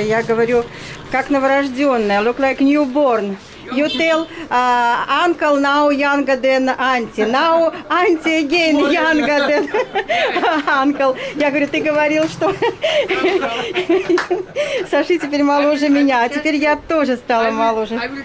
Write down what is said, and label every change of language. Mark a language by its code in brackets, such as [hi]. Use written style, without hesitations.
[ru] Я говорю, как новорожденная. [en] Look like newborn. You tell uncle now younger than auntie. Now auntie again younger than uncle. [ru] Я говорю, ты говорил, что Саши теперь моложе меня, а теперь я тоже стала моложе.